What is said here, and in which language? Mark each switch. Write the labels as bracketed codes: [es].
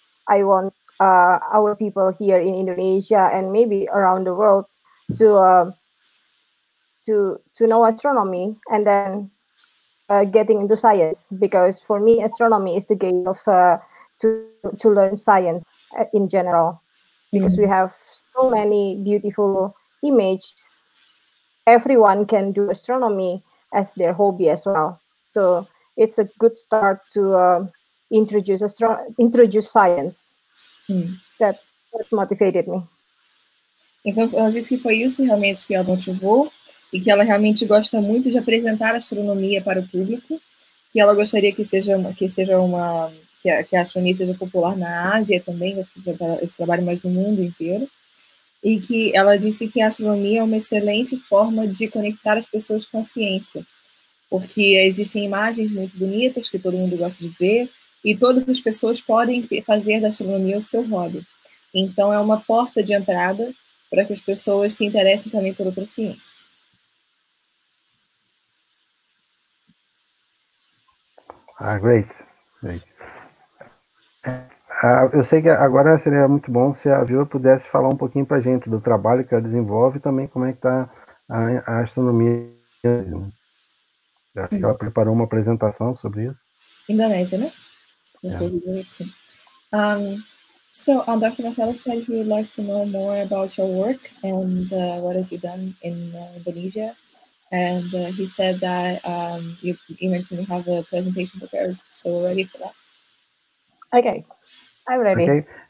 [en] I want our people here in Indonesia and maybe around the world to know astronomy and then getting into science, because for me astronomy is the gate of to learn science in general, because we have so many beautiful images. Everyone can do astronomy as their hobby as well, so it's a good start to introduce science. That's what motivated me. [pt] Então, às vezes que foi isso realmente que ela motivou, e que ela realmente gosta muito de apresentar astronomia para o público, que ela gostaria que a astronomia seja popular na Ásia também, esse trabalho mais no mundo inteiro, e que ela disse que a astronomia é uma excelente forma de conectar as pessoas com a ciência, porque existem imagens muito bonitas que todo mundo gosta de ver, e todas as pessoas podem fazer da astronomia o seu hobby. Então é uma porta de entrada para que as pessoas se interessem também por outras ciências. [en] Ah, great. [pt] Eu sei que agora seria muito bom se a Viva pudesse falar um pouquinho para a gente do trabalho que ela desenvolve e também como é que está a astronomia 15, né? Acho que ela preparou uma apresentação sobre isso. Indonésia, né? So, Dr. [en] Marcelo said he would like to know more about your work and what have you done in Indonesia. And he said that you mentioned you have a presentation prepared, so we're ready for that. Okay, I'm ready.